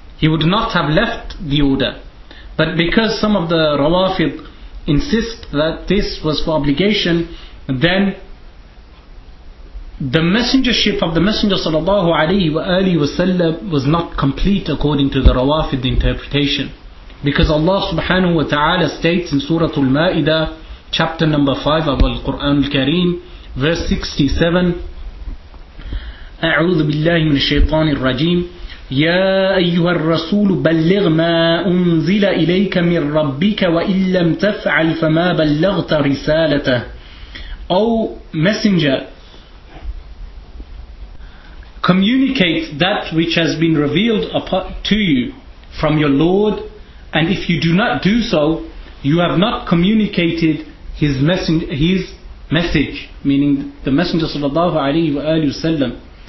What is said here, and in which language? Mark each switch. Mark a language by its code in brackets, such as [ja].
[en] He would not have left the order. But because some of the Rawafid insist that this was for obligation, then the messengership of the Messenger sallallahu alayhi wa alihi wasallam was not complete according to the Rawafid interpretation. Because Allah subhanahu wa ta'ala states in Surah Al-Ma'idah, chapter number 5 of Al-Quran Al-Kareem, verse 67, [ar] أَعُوذُ بِاللَّهِ مِنَ الشَّيْطَانِ الرَّجِيمِ يَا أَيُّهَا الرَّسُولُ بَلِّغْ مَا أُنزِلَ إِلَيْكَ مِنْ رَبِّكَ وَإِنْ لَمْ تَفْعَلْ فَمَا بَلَّغْتَ رِسَالَتَهُ. [en] O Messenger, communicate that which has been revealed to you from your Lord, and if you do not do so, you have not communicated his message, meaning the Messenger sallallahu alayhi wa alayhi wa sallam.